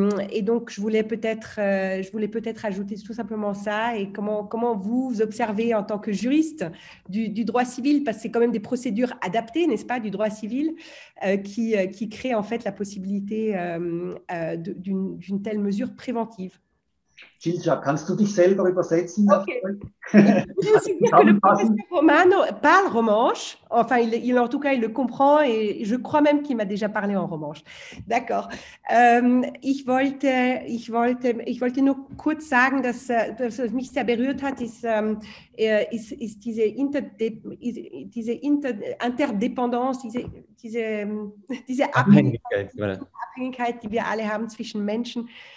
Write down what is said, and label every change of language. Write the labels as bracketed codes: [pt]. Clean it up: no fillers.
[fr] Et donc, je voulais peut-être ajouter tout simplement ça. Et comment vous observez en tant que juriste du droit civil, parce que c'est quand même des procédures adaptées, n'est-ce pas, du droit civil, qui créent en fait la possibilité d'une telle mesure préventive. [de] Gilja, kannst du dich selber übersetzen? [fr] Okay. Ich würde dire que le professeur Romano parle romanche. Enfin, il, en tout cas, il le comprend et je crois même qu'il m'a déjà parlé en romanche. D'accord. [de] Ich wollte nur kurz sagen, dass es mich sehr berührt hat, diese Abhängigkeit, die wir alle haben zwischen Menschen.